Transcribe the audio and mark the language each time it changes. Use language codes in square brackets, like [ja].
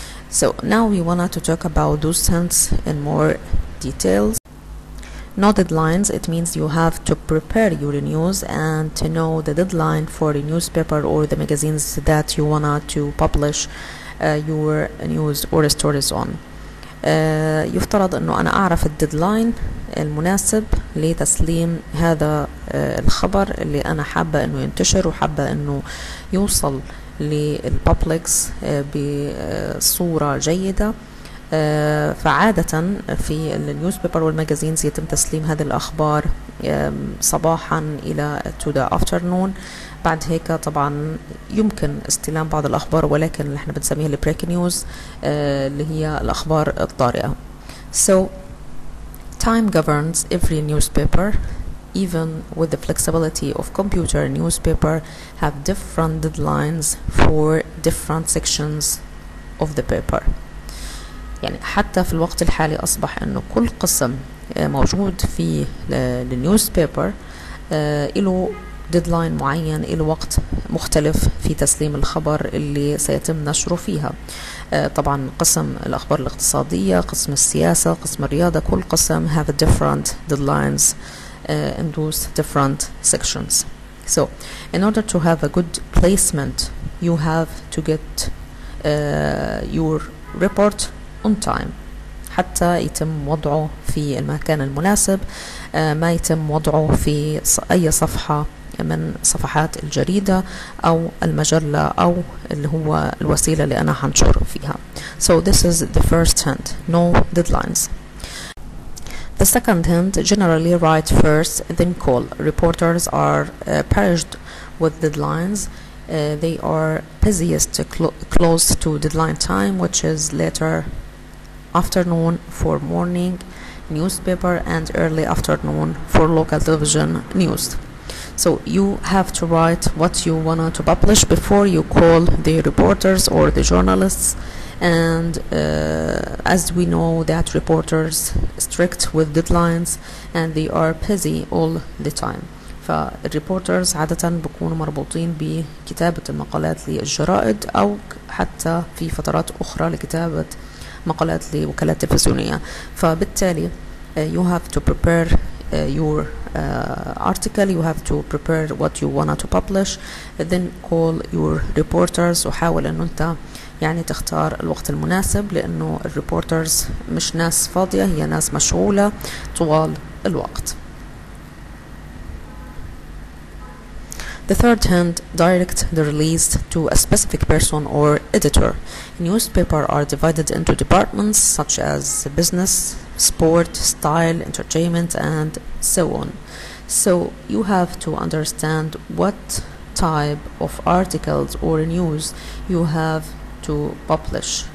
[en] So now we wanted to talk about those hints in more details. No deadlines, it means you have to prepare your news and to know the deadline for the newspaper or the magazines that you want to publish your news or stories on. [ar] يفترض انه انا اعرف الديدلاين المناسب لتسليم هذا الخبر اللي انا حابة انه ينتشر وحابة انه يوصل للبابليكس بصورة جيدة. فعادة في النيوز بيبر والماجازينز يتم تسليم هذه الأخبار صباحا إلى [en] To the afternoon. [ar] بعد هيك طبعا يمكن استلام بعض الأخبار، ولكن اللي احنا بنسميها البريك نيوز اللي هي الأخبار الطارئة. [en] So time governs every newspaper. Even with the flexibility of computer, newspaper have different deadlines for different sections of the paper. [ar] يعني حتى في الوقت الحالي أصبح أنه كل قسم موجود في النيوز بيبر له ديدلاين معين، له وقت مختلف في تسليم الخبر اللي سيتم نشره فيها. طبعا قسم الأخبار الاقتصادية، قسم السياسة، قسم الرياضة، كل قسم [en] have a different deadlines in those different sections. So in order to have a good placement, you have to get your report on time [ar] حتى يتم وضعه في المكان المناسب، ما يتم وضعه في أي صفحة من صفحات الجريدة أو المجلة أو اللي هو الوسيلة اللي أنا هنشر فيها. [en] So this is the first hint, no deadlines. The second hint, generally write first then call. Reporters are perished with deadlines. They are busiest close to deadline time, which is later afternoon for morning newspaper and early afternoon for local television news. So you have to write what you want to publish before you call the reporters or the journalists And as we know that reporters strict with deadlines and they are busy all the time. [ar] فالريبورترز عادة بيكونوا مربوطين بكتابة المقالات للجرائد أو حتى في فترات أخرى لكتابة مقالات لوكالات تلفزيونية. فبالتالي [en] you have to prepare your article, you have to prepare what you want to publish, then call your reporters. [ar] وحاول أن أنت يعني تختار الوقت المناسب لأنه الريبورترز مش ناس فاضية, هي ناس مشغولة طوال الوقت. [en] The third hand, direct the release to a specific person or editor. Newspapers are divided into departments such as business, sport, style, entertainment, and so on. So you have to understand what type of articles or news you have to publish.